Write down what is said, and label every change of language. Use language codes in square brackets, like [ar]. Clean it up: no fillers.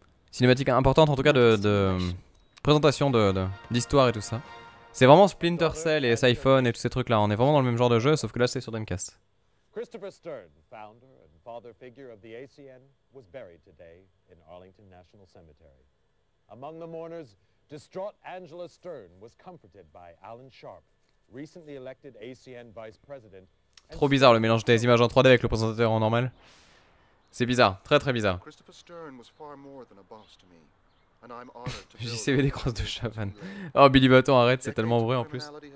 [fr] Cinématique importante en tout cas de présentation d'histoire et tout ça. C'est vraiment Splinter Cell et Siphon et tous ces trucs-là. On est vraiment dans le même genre de jeu, sauf que là, c'est sur Dreamcast. [en] Christopher Stern, founder and father figure of the ACN, was buried today in Arlington National Cemetery. Among the mourners, distraught Angela Stern was comforted by Alan Sharp, recently elected ACN vice president. [fr] Trop bizarre le mélange des images en 3D avec le présentateur en normal. C'est bizarre, très très bizarre. [en] Christopher Stern was far more than a boss to me. JCVD Crosse de Chavan. [fr] Oh, Billy Baton, arrête, c'est tellement vrai en plus.